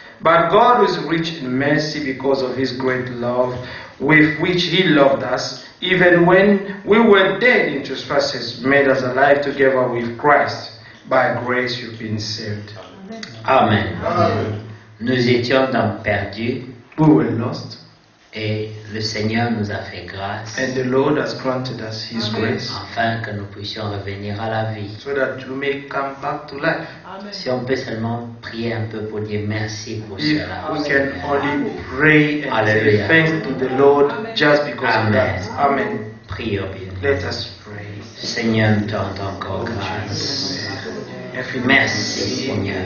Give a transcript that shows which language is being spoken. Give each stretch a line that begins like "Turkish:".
English: But God was rich in mercy because of his great love with which he loved us, even when we were dead in trespasses, made us alive together with Christ. By grace you've been saved. Amen. Amen.
French: Nous étions donc perdus.
English: We were lost.
French: Et le Seigneur nous a fait grâce.
English: And the Lord has granted us his Amen. Grace.
French: Afin que nous puissions revenir à la vie.
English: So that we may come back to life. Amen.
French: Si on peut seulement prier un peu pour dire merci pour
English: If
French: cela.
English: We can Amen. Only pray and Alleluia. Give thanks to the Lord Amen. Just because Of that. Amen.
French: Prions bien.
English: Let us pray.
French: Seigneur, nous te rendons encore grâce. Merci, Seigneur,